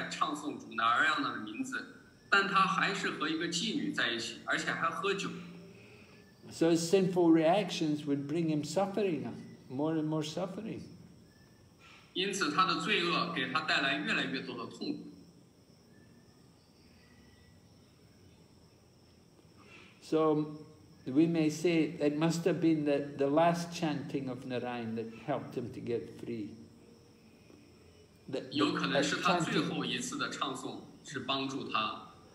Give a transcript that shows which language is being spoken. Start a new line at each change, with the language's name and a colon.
Chinese: 有人或许会说，虽然他一直在唱诵主Narayana的名字， 但他还是和一个妓女在一起，而且还喝酒。
English: So his sinful reactions would bring him suffering, more and more suffering.
Chinese: 因此他的罪恶给他带来越来越多的痛苦。
English: So we may say it must have been the last chanting of Narayana that helped him to get free.
Chinese: 有可能是他最后一次的唱诵是帮助他